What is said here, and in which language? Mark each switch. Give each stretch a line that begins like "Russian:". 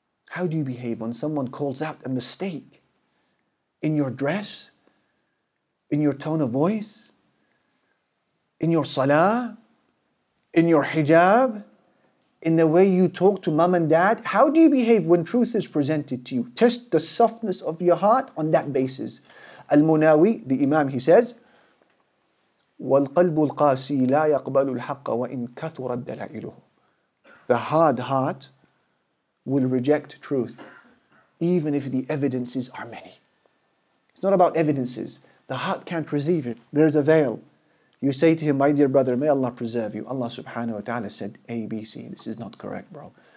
English: How do you behave when someone calls out a mistake in your dress, in your tone of voice, in your salah, in your hijab, in the way you talk to mom and dad? How do you behave when truth is presented to you? Test the softness of your heart on that basis.
Arabic: Al-Munawi,
English: the Imam, he says,
Arabic: وَالْقَلْبُ الْقَاسِي لَا يَقْبَلُ الْحَقَّ وَإِنْ كَثُرَ الدَّلَائِلُهُ.
English: The hard heart will reject truth, even if the evidences are many. It's not about evidences. The heart can't receive it. There's a veil. You say to him, my dear brother, may Allah preserve you. Allah subhanahu wa ta'ala said A, B, C. This is not correct, bro.